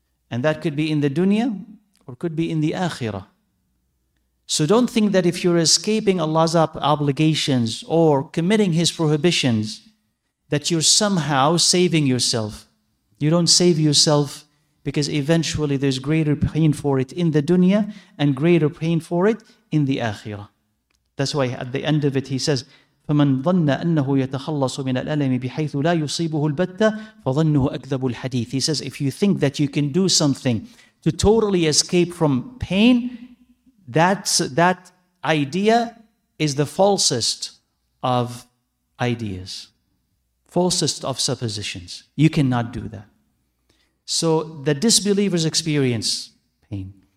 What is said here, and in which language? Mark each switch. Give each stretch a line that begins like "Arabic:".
English: And that could be in the dunya or could be in the akhirah. So don't think that if you're escaping Allah's obligations or committing His prohibitions, that you're somehow saving yourself. You don't save yourself because eventually there's greater pain for it in the dunya and greater pain for it in the akhirah. That's why at the end of it he says,
Arabic: فَمَنْ ظَنَّ أَنَّهُ يَتَخَلَّصُ مِنَ الْأَلَمِ بِحَيْثُ لَا يُصِيبُهُ الْبَتَّ فَظَنُّهُ أَكْذَبُ الْحَدِيثِ.
English: He says, if you think that you can do something to totally escape from pain, that idea is the falsest of ideas. Falsest of suppositions. You cannot do that. So the disbelievers experience pain.